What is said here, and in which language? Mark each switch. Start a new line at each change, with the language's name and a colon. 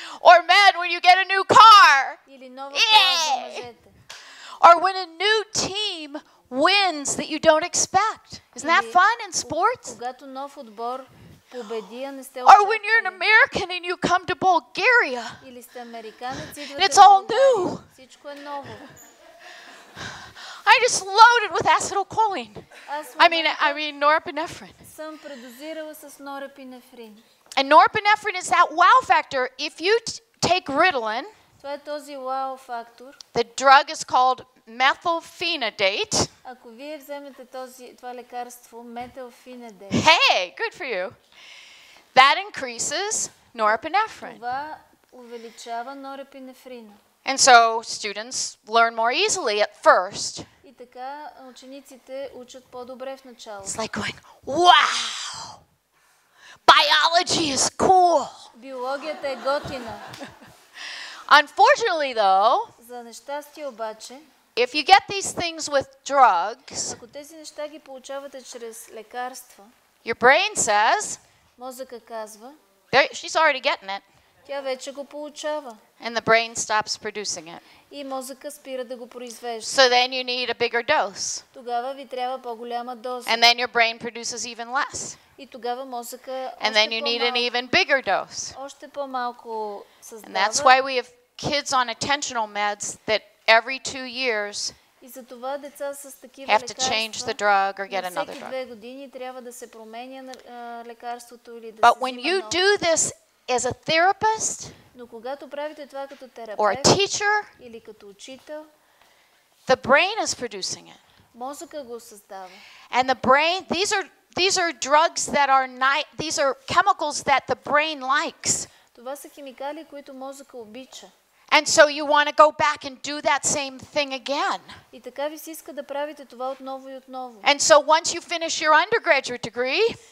English: Or men, when you get a new car. Yay! Or when a new team wins that you don't expect. Isn't that fun in sports?
Bulgarian: Когато нов отбор победи, а не сте очаквали.
English: Or when you're an American and you come to Bulgaria.
Bulgarian: Или сте американец, идвате в
English: Bulgaria. It's all new.
Bulgarian: Всичко е ново.
English: I just loaded with acetylcholine. I mean norepinephrine.
Bulgarian: Съм предозирала с норепинефрин.
English: And norepinephrine is that wow factor. If you take Ritalin,
Bulgarian: това е този wow фактор.
English: The drug is called methylphenidate.
Bulgarian: Ако вие вземете това лекарство, methylphenidate.
English: Hey, good for you. That increases norepinephrine.
Bulgarian: Това увеличава норепинефрина.
English: And so students learn more easily at first.
Bulgarian: И така учениците учат по-добре в началото.
English: It's like going, wow! Biology is cool.
Bulgarian: Биологията е готина.
English: Unfortunately though,
Bulgarian: за нещастие обаче,
English: if you get these things with drugs,
Bulgarian: ако тези неща ги получавате чрез лекарства,
English: your brain says,
Bulgarian: мозъка казва,
English: she's already getting it.
Bulgarian: Тя вече го получава.
English: And the brain stops producing it.
Bulgarian: И мозъка спира да го произвежда.
English: So then you need a bigger dose.
Bulgarian: Тогава ви трябва по-голяма доза.
English: And then your brain produces even less.
Bulgarian: И тогава мозъка
English: And then you need an even bigger dose.
Bulgarian: Още по-малко създава.
English: And that's why we have kids on attentional meds that every 2 years
Bulgarian: И за това деца с такива лекарства
English: have to change the drug or get another drug.
Bulgarian: На всеки 2 години трябва да се променя лекарството или да се
English: But when you do this as a therapist,
Bulgarian: но когато правите това като терапевт,
English: or a teacher,
Bulgarian: или като учител,
English: the brain is producing it.
Bulgarian: Мозъка го създава.
English: And the brain, these are drugs that are not, these are chemicals that the brain likes.
Bulgarian: Това са химикали, които мозъка обича.
English: And so you want to go back and do that same thing again.
Bulgarian: И така ви се иска да правите това отново и отново.
English: And so once you finish your undergraduate degree,